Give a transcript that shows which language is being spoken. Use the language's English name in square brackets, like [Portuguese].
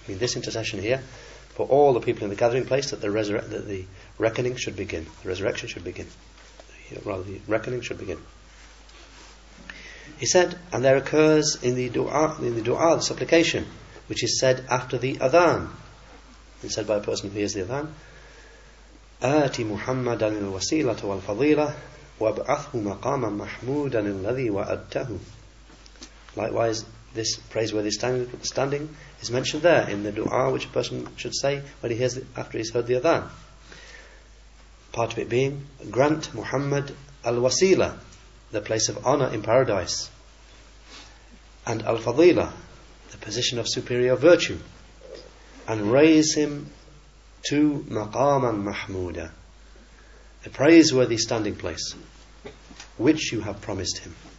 [English] I mean, this intercession here, for all the people in the gathering place, that the reckoning should begin. He said, and there occurs in the du'a, the supplication, which is said after the adhan. It's said by a person who hears the adhan. [Arabic] آتي محمدا الوسيلة والفضيلة وابعثه مقاما محمودا الذي وعدته. [English] Likewise, this praiseworthy standing is mentioned there in the du'a, which a person should say when he hears after he's heard the adhan. Part of it being, grant Muhammad al-wasila, the place of honour in paradise, and al-fadila, the position of superior virtue, and raise him to maqaman mahmuda, a praiseworthy standing place, which you have promised him.